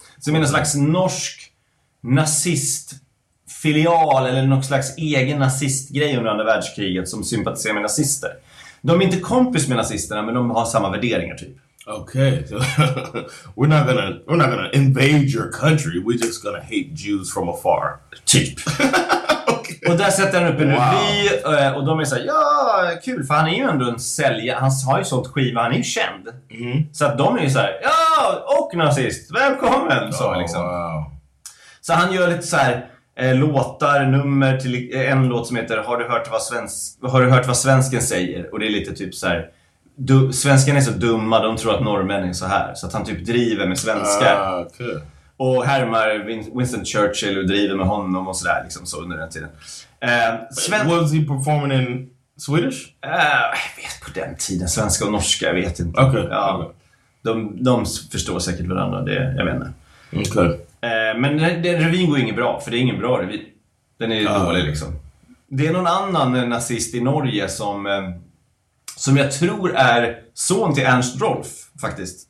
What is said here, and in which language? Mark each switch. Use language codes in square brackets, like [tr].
[sv] Som är en slags norsk nazist filial eller någon slags egen nazistgrej under andra världskriget som sympatiserar med nazister. De är inte kompis med nazisterna, men de har samma värderingar typ. Okej. Okay. [en] We're not gonna invade your country. We're just gonna hate Jews from afar. [sv] Typ. Okay. Och där sätter han upp en revy och de är så här, ja, kul, för han är ju ändå en säljare. Han har ju sånt skiva, han är ju känd. Mm. Så att de är ju så här, ja, och nazist, välkommen, så liksom. [en] Wow. [sv] Så han gör lite så här låtar, nummer till en låt som heter Har du hört vad svensken säger? Och det är lite typ så här, svenskarna är så dumma, de tror att norrmän är så här. Så att han typ driver med svenskar. [en] Cool. [sv] Och härmar Winston Churchill och driver med honom och sådär liksom, så under den tiden. [en] Was he performing in Swedish? [sv] Jag vet, på den tiden, svenska och norska, jag vet inte. [en] Okay. [sv] Ja, de förstår säkert varandra, det, jag vet inte. [en] Okay. [sv] Men revyn går inget bra, för det är ingen bra revy. Den är dålig liksom. Det är någon annan nazist i Norge som jag tror är son till Ernst Rolf faktiskt.